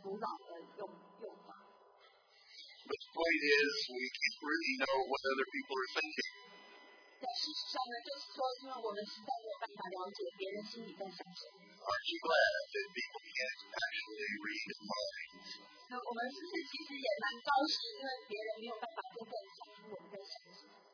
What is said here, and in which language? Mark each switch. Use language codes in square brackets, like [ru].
[en] The point is, we can't really know what other people are thinking. [zh] 但事实上呢，就是说，因为我们实在没有办法了解别人心里在想什么。 [en] Aren't you glad that people can't actually read minds? [zh] 那我们是不是其实也蛮高兴，因为别人没有办法真正从我们的想法。